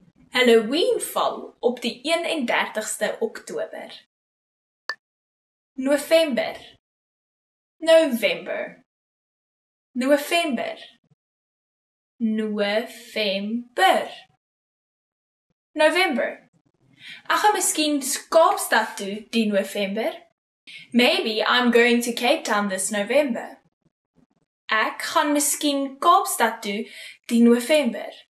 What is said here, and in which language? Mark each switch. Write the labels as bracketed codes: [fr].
[af] Halloween val op die 31ste Oktober. November. November. November. November. November. Ek gaan miskien Kaapstad toe die November. [en] Maybe I'm going to Cape Town this November. [af] Ek gaan miskien Kaapstad toe die November.